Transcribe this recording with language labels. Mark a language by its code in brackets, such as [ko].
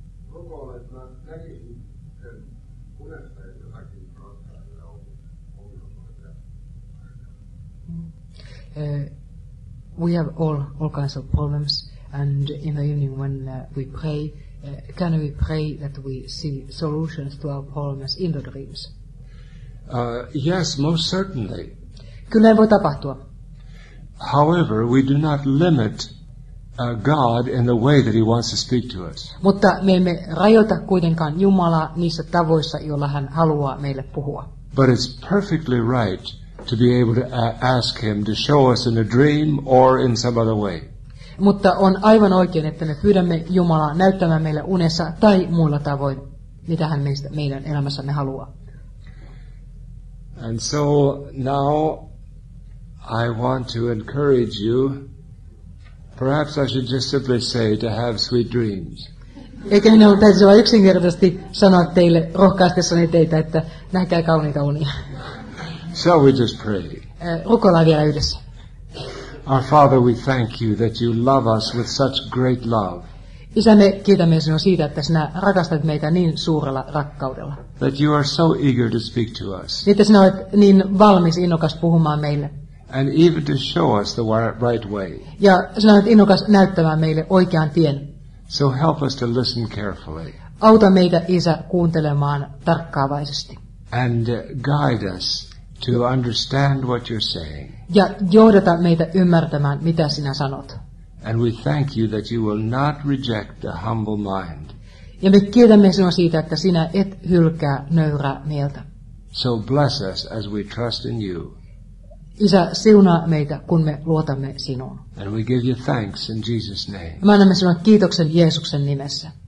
[fi] Rukoilen, että mä näkisin sen unesta, että kaikki on ongelmaa. [en] we have all kinds of problems, and in the evening when we pray, can we pray that we see solutions to our problems in the dreams? Yes, most certainly. [fi] Kyllä voi tapahtua. [en] However, we do not limit God in the way that he wants to speak to us. [fi] Mutta me emme rajoita kuitenkaan Jumalaa niissä tavoissa, joilla hän haluaa meille puhua. [en] But it's perfectly right to be able to ask him to show us in a dream or in some other way. [fi] Mutta on aivan oikein, että me pyydämme Jumalaa näyttämään meille unessa tai muilla tavoin, mitä hän meistä meidän elämässämme haluaa. [en] And so now I want to encourage you, perhaps I should just simply say, to have sweet dreams. [fi] Eikä minä ole täytyy vain yksinkertaisesti sanoa teille, rohkaistessani teitä, että nähkää kauniita unia. [en] Shall we just pray? [fi] Rukoillaan vielä yhdessä. [en] Our Father, we thank you that you love us with such great love. [fi] Isä, me kiitämme sinua siitä, että sinä rakastat meitä niin suurella rakkaudella. [en] That you are so eager to speak to us. [fi] Että sinä olet niin valmis, innokas puhumaan meille. [en] And even to show us the right way. [fi] Ja sinä olet innokas näyttämään meille oikean tien. [en] So help us to listen carefully. [fi] Auta meitä, Isä, kuuntelemaan tarkkaavaisesti. [en] And guide us to understand what you're saying. [fi] Ja johdata meitä ymmärtämään, mitä sinä sanot. [en] And we thank you that you will not reject the humble mind. [fi] Ja me kiitämme sinua siitä, että sinä et hylkää nöyrää mieltä. [en] So bless us as we trust in you. [fi] Isä, siunaa meitä, kun me luotamme sinuun. [en] And we give you thanks in Jesus' name. [fi] Me annamme sinua kiitoksen Jeesuksen nimessä.